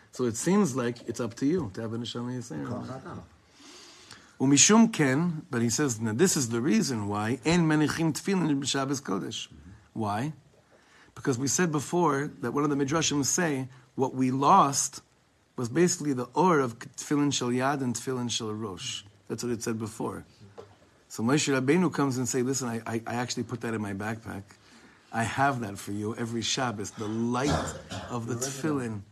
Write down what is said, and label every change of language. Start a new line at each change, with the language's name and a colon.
English: So it seems like it's up to you to have a neshama yetzer.
Hebrew: ומשום כן,
English: but he says, now this is the reason why
Hebrew: אין מניחים תפילין בשבת קודש.
English: Why? Because we said before that one of the midrashim say what we lost was basically the or of tefillin shel yad and tefillin shel rosh. That's what it said before. So Moshe Rabbeinu comes and say, listen, I actually put that in my backpack. I have that for you every Shabbos, the light of the tefillin.